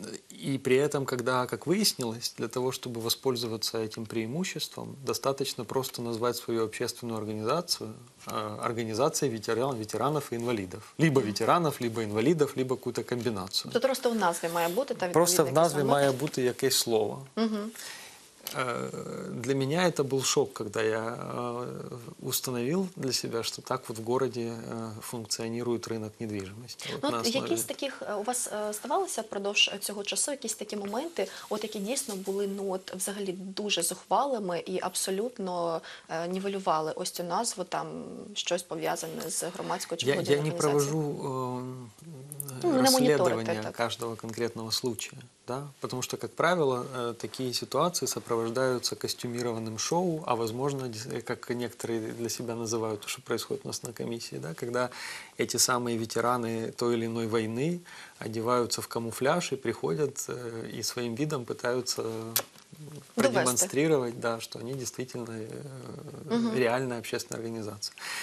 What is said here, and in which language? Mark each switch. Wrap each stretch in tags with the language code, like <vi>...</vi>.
<ru>И при этом, когда, как выяснилось, для того, чтобы воспользоваться этим преимуществом, достаточно просто назвать свою общественную организацию организацией ветеранов и инвалидов. Либо ветеранов, либо инвалидов, либо какую-то комбинацию.</ru> <uk>Тут просто в назве має бути? Просто в назве має бути якесь слово.</uk> <ru>Для меня это был шок, когда я установил для себя, что так вот в городе функционирует</ru> <uk>ринок недвижимості. Ну, от якісь таких у вас ставалося впродовж цього часу, якісь такі моменти, от які дійсно були, ну от взагалі дуже зухвалими і абсолютно нівелювали ось цю назву, там щось пов'язане з громадською чи будь-якою організацією?</uk> <ru>Расследование каждого конкретного случая. Да? Потому что, как правило, такие ситуации сопровождаются костюмированным шоу, а возможно, как некоторые для себя называют то, что происходит у нас на комиссии, да? Когда эти самые ветераны той или иной войны одеваются в камуфляж и приходят и своим видом пытаются продемонстрировать, да, что они действительно реальная общественная организация.</ru>